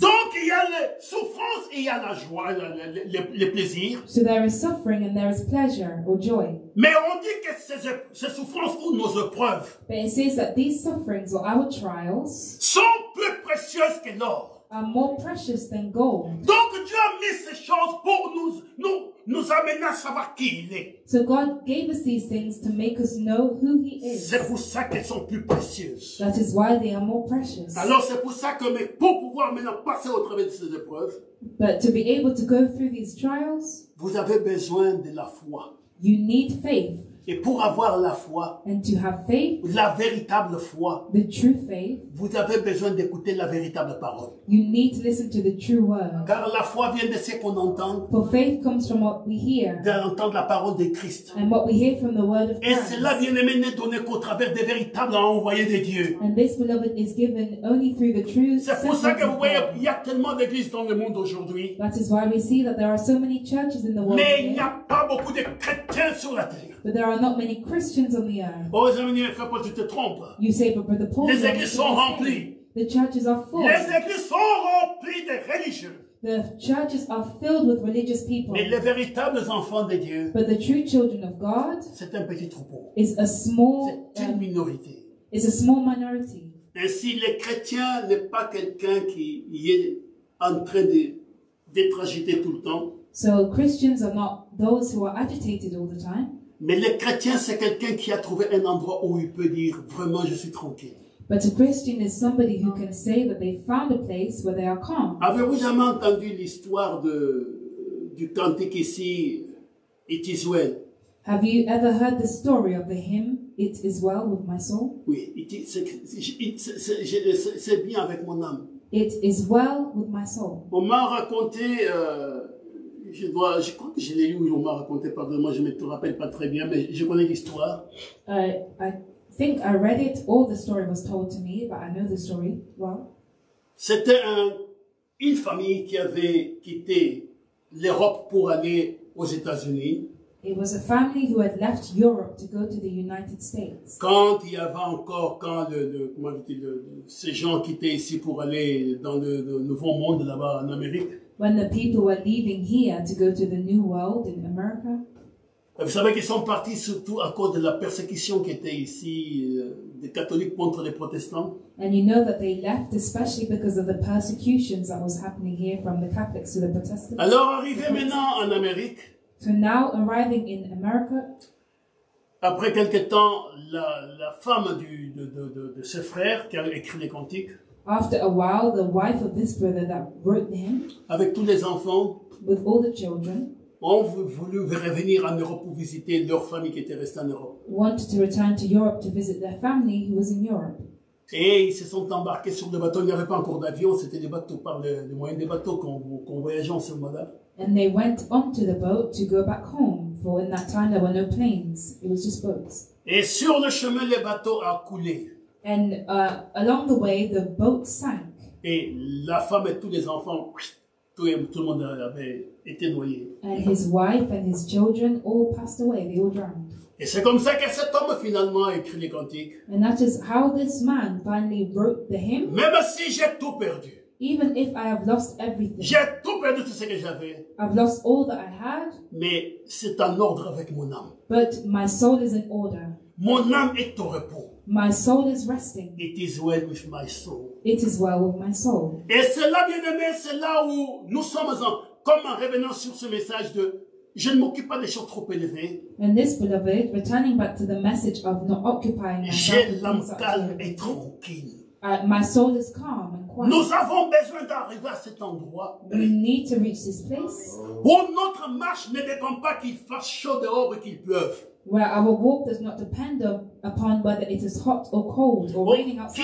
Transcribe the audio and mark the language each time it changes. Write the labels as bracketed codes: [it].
[fr] Donc il y a la souffrance et il y a la joie, le plaisir. [en] So there is suffering and there is pleasure or joy. [fr] Mais on dit que ces souffrances ou nos épreuves, [en] but it says that these sufferings or our trials, [fr] sont plus précieuses que l'or, [en] are more precious than gold. [fr] Donc Dieu a mis ces choses pour nous amener à savoir qui il est. [en] So God gave us these things to make us know who he is. [fr] C'est pour ça qu'elles sont plus précieuses. [en] That is why they are more precious. [fr] Alors c'est pour ça que pour pouvoir maintenant passer au travers de ces épreuves, [en] but to be able to go through these trials, [fr] vous avez besoin de la foi. [en] You need faith. [fr] Et pour avoir la foi, [en] and to have faith, [fr] la véritable foi, [en] the true faith, [fr] vous avez besoin d'écouter la véritable parole. [en] You need to listen to the true word. [fr] Car la foi vient de ce qu'on entend. [en] For faith comes from what we hear. [fr] D'entendre la parole de Christ. [en] And what we hear from the word of Christ. [fr] Et cela, bien-aimé, n'est donné qu'au travers des véritables envoyés de Dieu. [en] And this, beloved, is given only through the true. [fr] C'est pour ça que vous voyez, il y a tellement d'églises dans le monde aujourd'hui. [en] That is why we see that there are so many churches in the world. [fr] Mais il n'y a pas beaucoup de chrétiens sur la terre. [en] But there are not many Christians on the earth. You say, but Brother Paul, [fr] les églises sont remplies. [en] The churches are full. [fr] Les églises sont remplies de religieux. [en] The churches are filled with religious people. [fr] Mais les véritables enfants de Dieu, [en] but the true children of God, [fr] c'est un petit troupeau. [en] Is a small, [fr] c'est une minorité. [en] Is a small minority. [fr] Ainsi, le chrétien n'est pas quelqu'un qui est en train d'être agité tout le temps. [en] So Christians are not those who are agitated all the time. [fr] Mais le chrétien, c'est quelqu'un qui a trouvé un endroit où il peut dire vraiment je suis tranquille. [en] But a Christian is somebody who can say that they found a place where they are calm. [fr] Avez-vous jamais entendu l'histoire du cantique ici, It is well? [en] Have you ever heard the story of the hymn It is well with my soul? [fr] Oui, c'est bien avec mon âme. [en] It is well with my soul. [fr] On m'a raconté, je crois que je l'ai lu, on m'a raconté, pardonne-moi, je ne me rappelle pas très bien, mais je connais l'histoire. [en] I think I read it, all the story was told to me, but I know the story well. [fr] C'était une famille qui avait quitté l'Europe pour aller aux États-Unis. [en] It was a family who had left Europe to go to the United States. [fr] Quand il y avait encore, quand ces gens quittaient ici pour aller dans le nouveau monde là-bas en Amérique. [en] When the people were leaving here to go to the new world in America. [fr] Et vous savez qu'ils sont partis surtout à cause de la persécution qui était ici des catholiques contre les protestants. [en] And you know that they left especially because of the persecutions that was happening here from the Catholics to the Protestants. [fr] Alors arrivés maintenant en Amérique. [en] So now arriving in America, [fr] après quelque temps, la femme de ce frère qui a écrit les cantiques. [en] After a while, the wife of this brother that wrote him. [fr] Avec tous les enfants. [en] With all the children. [fr] Ont voulu revenir en Europe pour visiter leur famille qui était restée en Europe. [en] Wanted to return to Europe to visit their family who was in Europe. [fr] Et ils se sont embarqués sur des bateaux. Il n'y avait pas encore d'avion. C'était des bateaux par les moyens des bateaux qu'on voyageait en ce moment-là. [en] And they went onto the boat to go back home. For in that time, there were no planes. It was just boats. [fr] Et sur le chemin, le bateau a coulé. [en] And along the way, the boat sank. [fr] Et la femme et tous les enfants, tout le monde avait été noyé. [en] And his wife and his children all passed away. They all drowned. [fr] Et c'est comme ça que cet homme finalement écrit les cantiques. [en] And that is how this man finally wrote the hymn. [fr] Même si j'ai tout perdu. [en] Even if I have lost everything. [fr] J'ai tout perdu tout ce que j'avais. [en] I've lost all that I had. [fr] Mais c'est en ordre avec mon âme. [en] But my soul is in order. [fr] Mon âme est au repos. [en] My soul is resting. It is well with my soul. It is well with my soul. [fr] Et c'est là, bien-aimé, c'est là où nous sommes en, comme en revenant sur ce message de je ne m'occupe pas des choses trop élevées. [en] And this beloved, returning back to the message of not occupying myself. [fr] J'ai l'âme calme et tranquille. [en] My soul is calm and quiet. [fr] Nous avons besoin d'arriver à cet endroit. [en] We need to reach this place. [fr] Où notre marche ne dépend pas qu'il fasse chaud dehors et qu'il pleuve. [en] Where our walk does not depend upon whether it is hot or cold or raining outside.